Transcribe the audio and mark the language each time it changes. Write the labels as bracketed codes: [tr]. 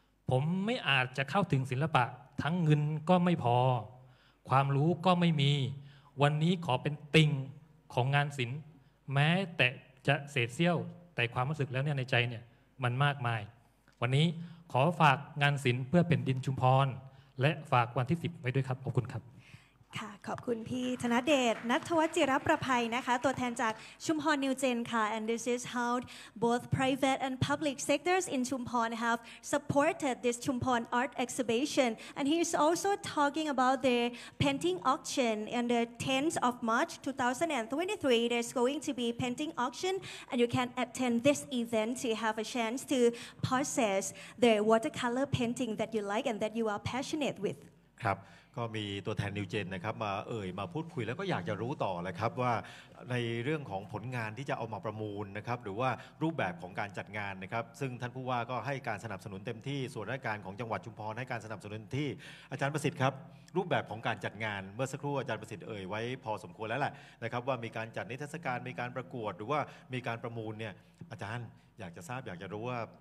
[th] ผมไม่อาจจะเข้าถึงศิลปะทั้งเงินก็ไม่พอความรู้ก็ไม่มีวันนี้ขอเป็นติ่งของงานศิลป์แม้แต่จะเศษเสี้ยวแต่ความรู้สึกแล้วเนี่ยในใจเนี่ยมันมากมายวันนี้ขอฝากงานศิลป์เพื่อเป็นดินชุมพรและฝากวันที่10ไว้ด้วยครับขอบคุณครับ ค่ะขอบคุณพี่ธนเดชณัฐวัชิรประภัยนะคะตัวแทนจากชุมพรนิวเจนค่ะ [en] and this is how both private and public sectors in Chumphon have supported this Chumphon art exhibition and he is also talking about the painting auction on the 10th of March 2023 there's going to be painting auction and you can attend this event to have a chance to possess the watercolor painting that you like and that you are passionate with [th] ครับก็มีตัวแทนนิวเจนนะครับมาเอ่ยมาพูดคุยแล้วก็อยากจะรู้ต่อแหละครับว่าในเรื่องของผลงานที่จะเอามาประมูลนะครับหรือว่ารูปแบบของการจัดงานนะครับซึ่งท่านผู้ว่าก็ให้การสนับสนุนเต็มที่ส่วนราชการของจังหวัดชุมพรให้การสนับสนุนที่อาจารย์ประสิทธิ์ครับรูปแบบของการจัดงานเมื่อสักครู่อาจารย์ประสิทธิ์เอ่ยไว้พอสมควรแล้วแหละนะครับว่ามีการจัดนิทรรศการมีการประกวดหรือว่ามีการประมูลเนี่ยอาจารย์อยากจะทราบอยากจะรู้ว่า